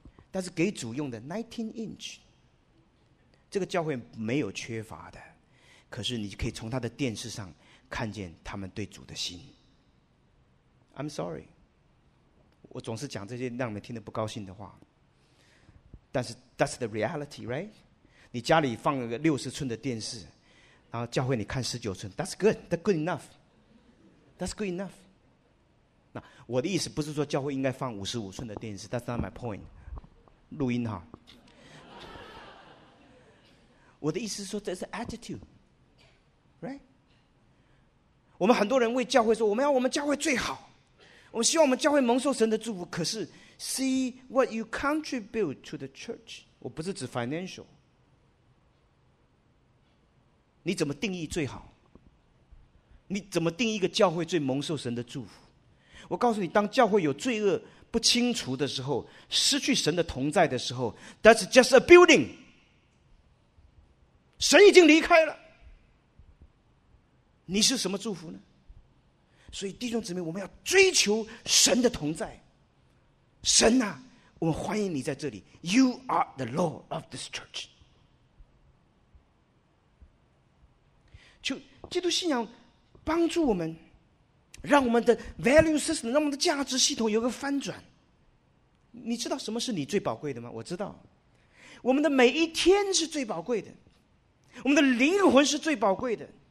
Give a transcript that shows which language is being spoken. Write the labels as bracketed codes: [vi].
[zh] 但是给主用的 19 inch， 这个教会没有缺乏的，可是你可以从他的电视上看见他们对主的心。 [en] I'm sorry， [zh] 我总是讲这些让你们听得不高兴的话。但是 [en] that's the reality, right? [zh] 你家里放了个60寸的电视，然后教会你看19寸， [en] that's good, that's good enough, [zh] that's good enough。那我的意思不是说教会应该放55寸的电视， [en] that's not my point， [zh] 录音哈。我的意思是说这是 [en] attitude, right? [zh] 我们很多人为教会说，我们要我们教会最好，我们希望我们教会蒙受神的祝福，可是 [en] See what you contribute to the church. [zh] 我不是指 financial. 你怎么定义最好？你怎么定义一个教会最蒙受神的祝福？我告诉你，当教会有罪恶不清除的时候，失去神的同在的时候， [en] That's just a building. [zh] 神已经离开了，你是什么祝福呢？所以弟兄姊妹，我们要追求神的同在。神啊，我们欢迎你在这里。 [en] You are the Lord of this church。 [zh] 求基督信仰帮助我们，让我们的 value system， 让我们的价值系统有个翻转。你知道什么是你最宝贵的吗？我知道，我们的每一天是最宝贵的，我们的灵魂是最宝贵的。